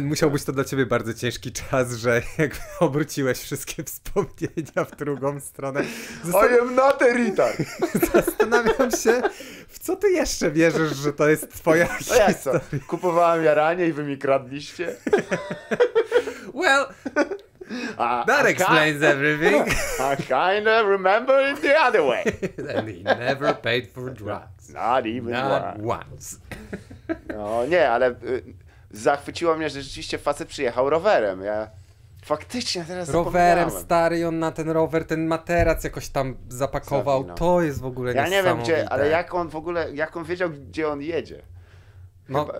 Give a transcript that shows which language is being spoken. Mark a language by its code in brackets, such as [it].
[pl] musiał być to dla ciebie bardzo ciężki czas, że jakby obróciłeś wszystkie wspomnienia w drugą stronę. [en] I am not a retard. [pl] Zastanawiam się, w co ty jeszcze wierzysz, że to jest twoja historia. No jak co, kupowałem jaranie i wy mi kradliście? [en] Well, that explains everything. I kind of remember it the other way. And he never paid for drugs. Not once. [pl] No nie, ale zachwyciło mnie, że rzeczywiście facet przyjechał rowerem. Ja faktycznie teraz rowerem stary, on na ten rower ten materac jakoś tam zapakował. Zawino. To jest w ogóle niesamowite. Ja nie wiem gdzie, ale jak on w ogóle, jak on wiedział gdzie on jedzie? No.